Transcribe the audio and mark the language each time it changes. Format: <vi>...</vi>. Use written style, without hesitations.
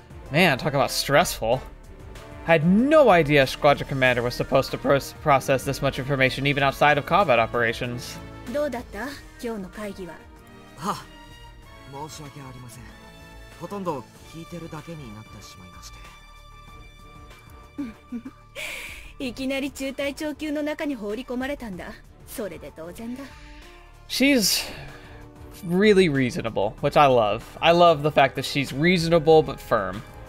<en>Man, talk about stressful. I had no idea a squadron commander was supposed to process this much information even outside of combat operations. How was today's meeting? Ah, I'm sorry. I've only been listening to most of it.</en> <ja>いきなり中隊長級の中に放り込まれたんだ。それで当然だ。</ja> <en>She's really reasonable, which I love. I love the fact that she's reasonable but firm.</en>